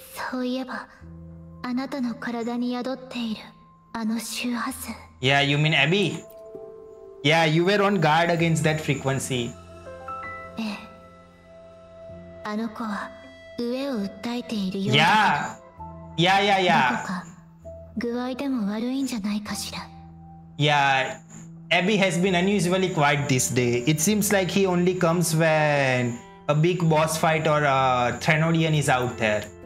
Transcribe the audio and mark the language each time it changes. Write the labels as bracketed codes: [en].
[ja] そういえば、あなたの体に宿っているあの周波数。 [en] Yeah, you mean Abby? Yeah, you were on guard against that frequency. [ja] ええ。あの子は上を訴えているよ。 [en] Yeah. Yeah, yeah, yeah. [ja] どこか具合でも悪いんじゃないかしら。 [en] Yeah, Abby has been unusually quiet this day. It seems like he only comes when. A big boss fight or a Threnodian is out there.